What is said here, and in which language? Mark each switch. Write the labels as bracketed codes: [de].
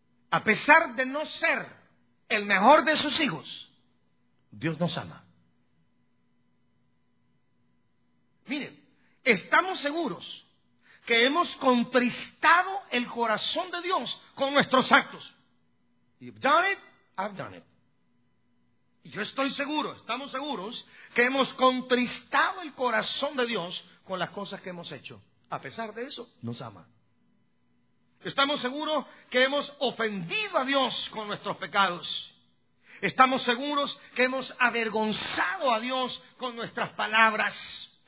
[es] A pesar de no ser el mejor de sus hijos, Dios nos ama. Miren, estamos seguros que hemos contristado el corazón de Dios con nuestros actos. [en] You've done it, I've done it. [es] Yo estoy seguro, estamos seguros que hemos contristado el corazón de Dios con las cosas que hemos hecho. A pesar de eso, nos ama. Estamos seguros que hemos ofendido a Dios con nuestros pecados. Estamos seguros que hemos avergonzado a Dios con nuestras palabras.